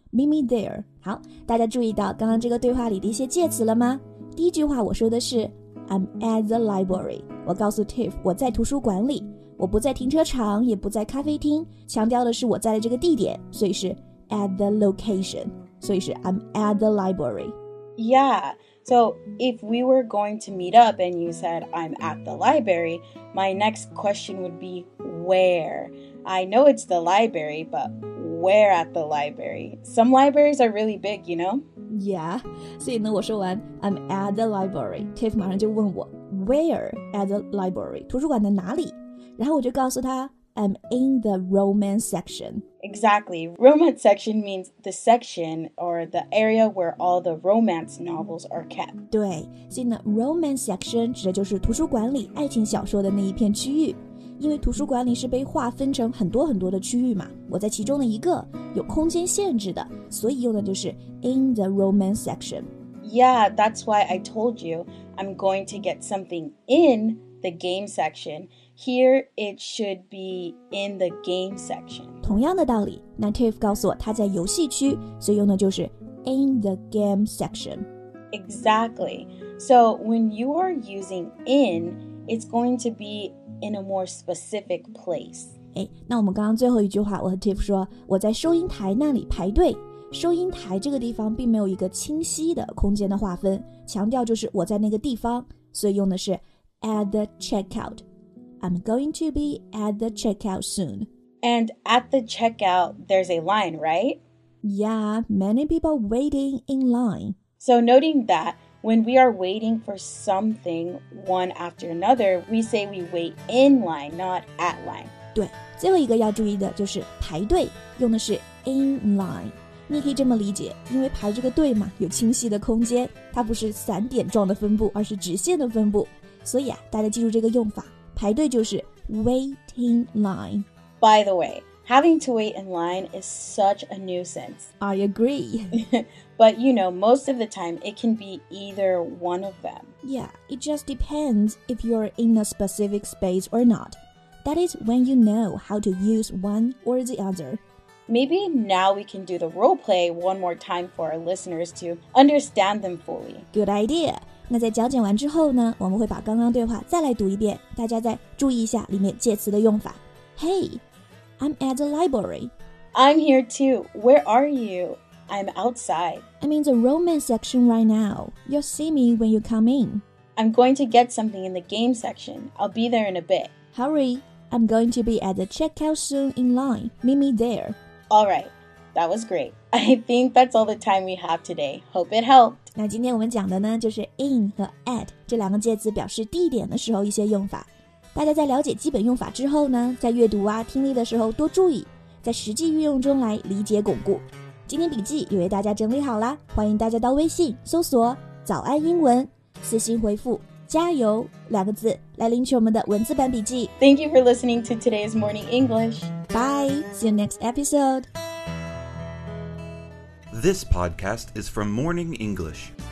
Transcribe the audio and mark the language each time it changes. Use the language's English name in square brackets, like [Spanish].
[English] Meet me there. [Chinese] 好，大家注意到刚刚这个对话里的一些介词了吗？第一句话我说的是 [English] I'm at the library. [Chinese] 我告诉 Tiff 我在图书馆里。我不在停车场，也不在咖啡厅，强调的是我在的这个地点，所以是 [English] at the location, [Chinese] 所以是 [English] I'm at the library. Yeah, so if we were going to meet up and you said I'm at the library, my next question would be where? I know it's the library, but where at the library? Some libraries are really big, you know? [Chinese] Yeah, 所以呢我说完 [English] I'm at the library, [Chinese] Tiff 马上就问我 [English] where at the library, [Chinese] 图书馆的哪里？然后我就告诉他 [English] I'm in the romance section. Exactly. Romance section means the section or the area where all the romance novels are kept. [Chinese] 对，所以呢 romance section 指的就是图书馆里爱情小说的那一片区域。因为图书馆里是被划分成很多很多的区域嘛，我在其中的一个，有空间限制的，所以用的就是 [English] in the romance section. Yeah, that's why I told you I'm going to get something in the game section. Here, it should be in the game section. [Chinese] 同样的道理，那 Tiff 告诉我他在游戏区，所以用的就是 [English] in the game section. Exactly. So when you are using in, it's going to be in a more specific place. [Chinese] 哎，那我们刚刚最后一句话，我和 Tiff 说，我在收银台那里排队。收银台这个地方并没有一个清晰的空间的划分，强调就是我在那个地方，所以用的是 [English] at the checkout. I'm going to be at the checkout soon. And at the checkout, there's a line, right? Yeah, many people waiting in line. So noting that, when we are waiting for something one after another, we say we wait in line, not at line. [Chinese] 对，最后一个要注意的就是排队，用的是 [English] in line. [Chinese] 你可以这么理解，因为排这个队嘛，有清晰的空间，它不是散点状的分布，而是直线的分布。所以啊，大家记住这个用法。排队就是 [English] waiting line. By the way, having to wait in line is such a nuisance. I agree. But you know, most of the time, it can be either one of them. Yeah, it just depends if you're in a specific space or not. That is when you know how to use one or the other. Maybe now we can do the role play one more time for our listeners to understand them fully. Good idea. [Chinese] 那在讲解完之后呢，我们会把刚刚对话再来读一遍，大家再注意一下里面介词的用法。 [English] Hey, I'm at the library. I'm here too. Where are you? I'm outside. I'm in the romance section right now. You'll see me when you come in. I'm going to get something in the game section. I'll be there in a bit. Hurry, I'm going to be at the checkout soon in line. Meet me there. All right, that was great. I think that's all the time we have today. Hope it helped. [Chinese] 那今天我们讲的呢，就是 in 和 at 这两个介词表示地点的时候一些用法。大家在了解基本用法之后呢，在阅读啊、听力的时候多注意，在实际运用中来理解巩固。今天笔记也为大家整理好了，欢迎大家到微信搜索“早安英文”，私信回复“加油”两个字来领取我们的文字版笔记。 [English] Thank you for listening to today's morning English. Bye. See you next episode. This podcast is from Morning English.